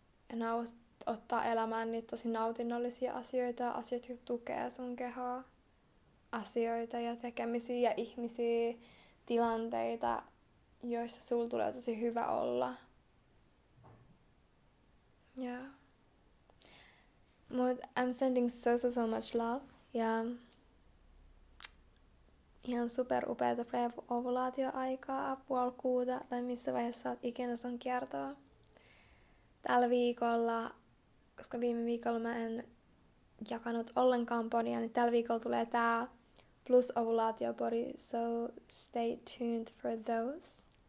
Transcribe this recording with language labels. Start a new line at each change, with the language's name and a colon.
Finnish: Ja ottaa elämään niitä tosi nautinnollisia asioita, asioita, jotka tukee sun kehoa. Asioita ja tekemisiä ja ihmisiä, tilanteita, joissa sul tulee tosi hyvä olla. Yeah.
English: Mut I'm sending so much love.
Finnish: Ja ihan super upeata pre-ovulaatioaikaa, puolikuuta tai missä vaiheessa oot ikinä sun kiertoa. Tällä viikolla, koska viime viikolla mä en jakanut ollenkaan podia, niin tällä viikolla tulee tää plus ovulaatiopodi,
English: so stay tuned for those.